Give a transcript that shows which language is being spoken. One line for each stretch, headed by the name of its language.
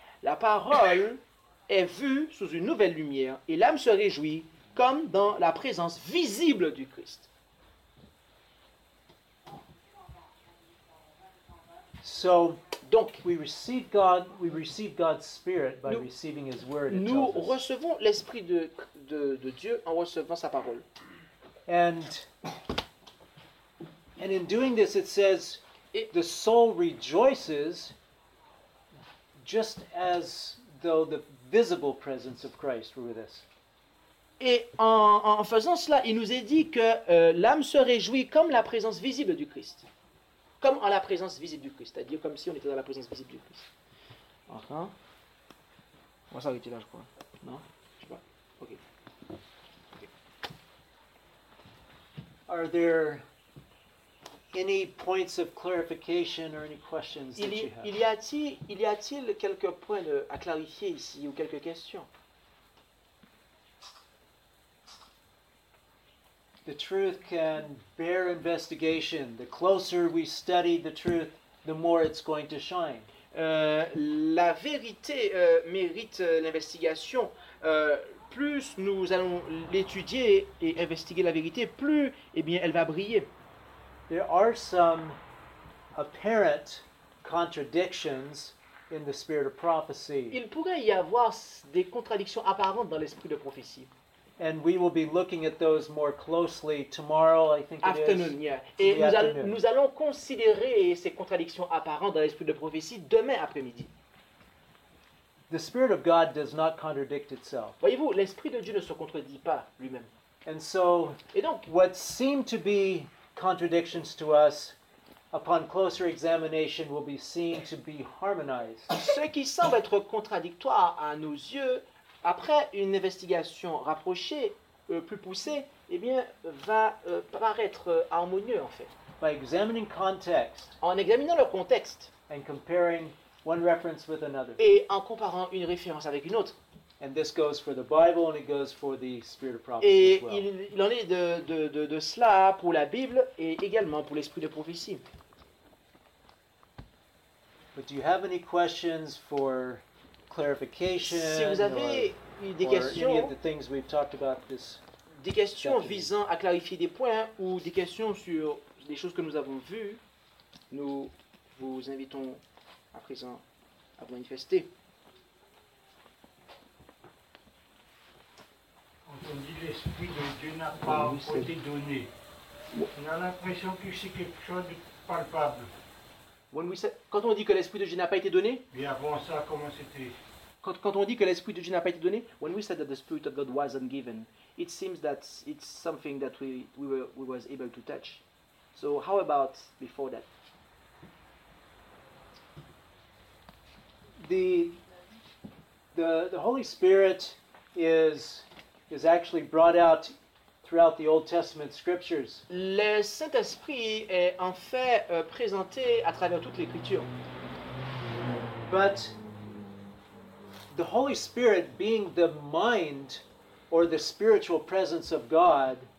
French: La parole est vue sous une nouvelle lumière et l'âme se réjouit comme dans la présence visible du Christ.
English: So,
French: donc,
English: we receive God's spirit by receiving his word.
French: Nous recevons l'esprit de Dieu en recevant sa parole.
English: And in doing this it says the soul rejoices just as though the visible presence of Christ were with us.
French: Et en faisant cela, il nous est dit que l'âme se réjouit comme la présence visible du Christ. Comme en la présence visible du Christ, c'est-à-dire comme si on était dans la présence visible du Christ. Enfin, moi ça arrive là, je crois. Non, je sais pas. Ok.
English: Are there any points of clarification or any questions that you have?
French: Il y a-t-il quelques points à clarifier ici ou quelques questions?
English: The truth can bear investigation. The closer we study the truth, the more it's going to shine.
French: La vérité mérite l'investigation. Plus nous allons l'étudier et investiguer la vérité, plus eh bien elle va briller.
English: There are some apparent contradictions in the spirit of prophecy.
French: Il pourrait y avoir des contradictions apparentes dans l'esprit de prophétie.
English: And we will be looking at those more closely tomorrow, I think it afternoon, is. Yeah.
French: Et nous allons considérer ces contradictions apparentes dans l'esprit de prophétie demain après-midi.
English: The Spirit of God does not contradict itself.
French: Voyez-vous, l'Esprit de Dieu ne se contredit pas lui-même.
English: And so,
French: et donc,
English: what seem to be contradictions to us, upon closer examination, will be seen to be harmonized.
French: Ce qui semble être contradictoire à nos yeux, après une investigation rapprochée, plus poussée, eh bien, va paraître harmonieux, en fait.
English: By examining context,
French: en examinant le contexte,
English: and comparing one reference with another.
French: Et en comparant une référence avec une autre.
English: And this goes for the Bible and it goes for the spirit of prophecy.
French: Et
English: as well.
French: Il en est de cela pour la Bible et également pour l'esprit de prophétie.
English: But do you have any questions for clarification,
French: si vous avez
English: or any of the things we've talked about this
French: des questions visant à clarifier des points ou des questions sur des choses que nous avons vues, nous vous invitons à présent à vous manifester. Quand on dit l'Esprit de Dieu n'a pas été donné, on a l'impression que c'est quelque chose de palpable. Quand on dit que l'Esprit de Dieu n'a pas été donné, mais avant ça, comment c'était? Quand on dit que l'Esprit de Dieu n'a pas été donné,
English: when we said that the Spirit of God wasn't given, it seems that it's something that we was able to touch. So how about before that? The Holy Spirit is actually brought out throughout the Old Testament scriptures.
French: Le Saint-Esprit est en fait présenté à travers toute l'Écriture.
English: But the Holy Spirit being the mind or the spiritual presence of God.